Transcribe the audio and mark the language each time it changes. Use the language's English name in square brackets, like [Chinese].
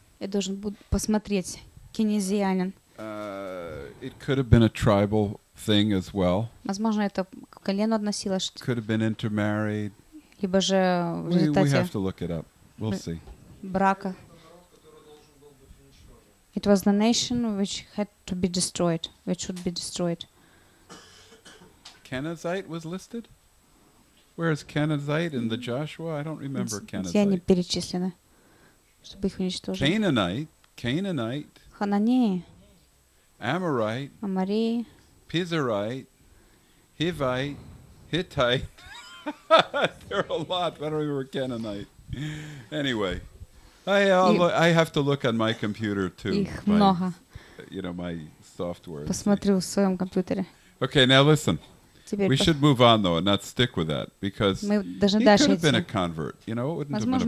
[Russian] Я должен буду посмотреть кенезианин. [English] It could have been a tribal thing as well. [Russian] Возможно, это к колену относилось. [English] Could have been intermarried. [Russian] Либо же в результате. [English] We have to look it up. We'll see. [Russian] Брака. [English] It was the nation which had to be destroyed, which should be destroyed. Kenizzite was listed. Where is Kenizzite in the Joshua? I don't remember Kenizzite. [Russian] Все они перечислены, чтобы их уничтожить. [English] Canaanite. [Russian] Хананеи. [English] Amorite. [Russian] Амори. [English] Pizarite. Hivite. Hittite. There are a lot. Why don't we remember Canaanite? Anyway, I have to look on my computer too. [Russian] Их много. [English] You know my software. [Russian] Посмотрю в своем компьютере. [English] Okay, now listen. We should move on, though, and not stick with that, because he could have been a convert. You know, it wouldn't have been a problem.